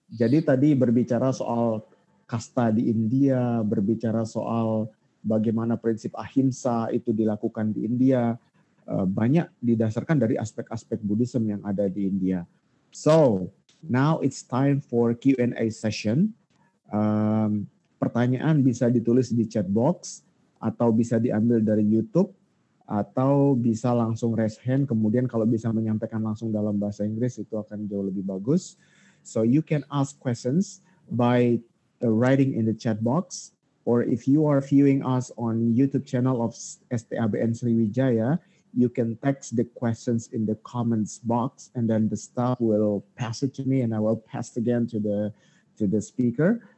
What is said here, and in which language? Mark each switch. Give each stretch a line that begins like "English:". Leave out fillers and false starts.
Indonesian: Jadi tadi berbicara soal kasta di India, berbicara soal bagaimana prinsip ahimsa itu dilakukan di India, banyak didasarkan dari aspek-aspek Buddhism yang ada di India.
English: So, now it's time for Q&A session.
Indonesian: Pertanyaan bisa ditulis di chat box, atau bisa diambil dari YouTube. atau bisa langsung
English: raise hand,
Indonesian: kemudian kalau bisa menyampaikan langsung dalam bahasa Inggris itu akan jauh lebih bagus.
English: So you can ask questions by writing in the chat box, or if you are viewing us on YouTube channel of STABN Sriwijaya, you can text the questions in the comments box, and then the staff will pass it to me, and I will pass it again to the speaker.